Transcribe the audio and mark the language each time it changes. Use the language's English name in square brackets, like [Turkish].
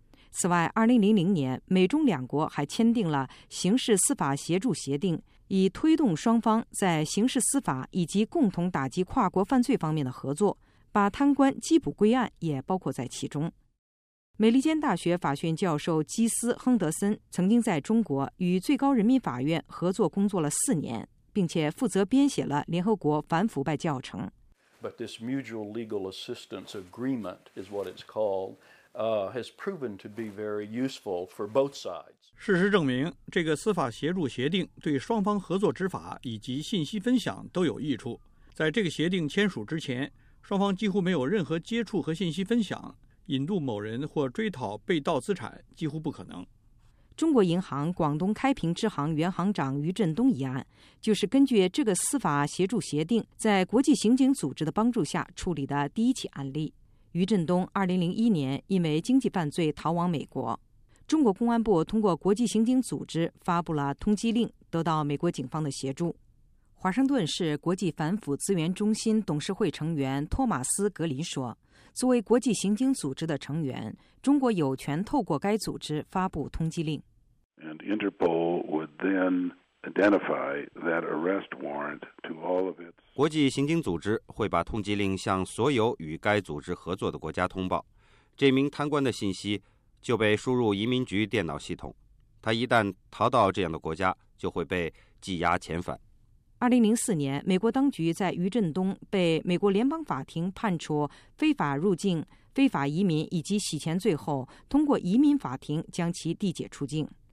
[Chinese] 此外，2000年，美中两国还签订了刑事司法协助协定，以推动双方在刑事司法以及共同打击跨国犯罪方面的合作，把贪官缉捕归案也包括在其中。美利坚大学法学院教授基斯·亨德森曾经在中国与最高人民法院合作工作了4年，并且负责编写了联合国反腐败教程。 [English] But this mutual legal assistance agreement is what it's called, has proven to be very useful for both sides. [Chinese] 事实证明，这个司法协助协定对双方合作执法以及信息分享都有益处。在这个协定签署之前，双方几乎没有任何接触和信息分享，引渡某人或追讨被盗资产几乎不可能。中国银行广东开平支行原行长于振东一案，就是根据这个司法协助协定，在国际刑警组织的帮助下处理的第一起案例。于振东2001年因为经济犯罪逃往美国，中国公安部通过国际刑警组织发布了通缉令，得到美国警方的协助。华盛顿市国际反腐资源中心董事会成员托马斯·格林说，作为国际刑警组织的成员，中国有权透过该组织发布通缉令。 [English] And Interpol would then identify that arrest warrant to all of its [Chinese] 国际刑警组织会把通缉令向所有与该组织合作的国家通报，这名贪官的信息就被输入移民局电脑系统，他一旦逃到这样的国家就会被羁押遣返。 2004年，美国当局在于振东被美国联邦法庭判处非法入境、非法移民以及洗钱罪后，通过移民法庭将其递解出境。